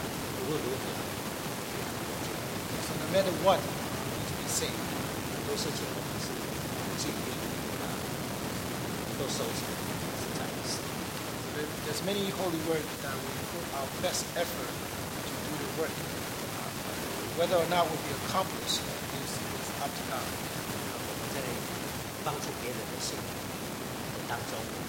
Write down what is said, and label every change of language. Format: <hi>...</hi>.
<en>So no matter what, we need to be saved.</en> <zh>很多事情我们是尽力都收起来，是这样子。</zh> <en>There's many holy work that we put our best effort to do the work. Whether or not will be accomplished is up to God.</en> <zh>我们在帮助别人的信仰当中。</zh>